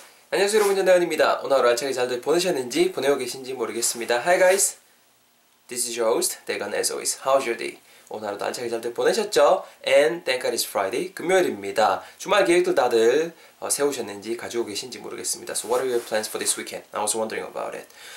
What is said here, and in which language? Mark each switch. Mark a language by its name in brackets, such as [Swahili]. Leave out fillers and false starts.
[Korean] 안녕하세요 여러분, 전다현입니다. 오늘 하루 알차게 잘 보내셨는지 보내고 계신지 모르겠습니다. [English] Hi guys, this is your host, Daegan as always. How's your day? [Korean] 오늘 하루도 알차게 잘 보내셨죠? [English] And thank God it's Friday, [Korean] 금요일입니다. 주말 계획도 다들 세우셨는지 가지고 계신지 모르겠습니다. [English] So what are your plans for this weekend? I was wondering about it.